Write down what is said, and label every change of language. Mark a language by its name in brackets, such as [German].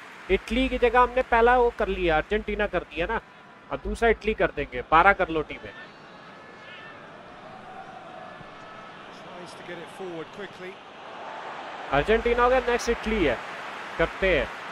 [Hindi] Italy की जगह हमने पहला वो कर लिया अर्जेंटीना कर दिया ना अब दूसरा इटली कर देंगे पारा कर लो टीमें. [English] Tries to get it forward quickly. [Hindi] Argentina होगा नेक्स्ट इटली है करते हैं.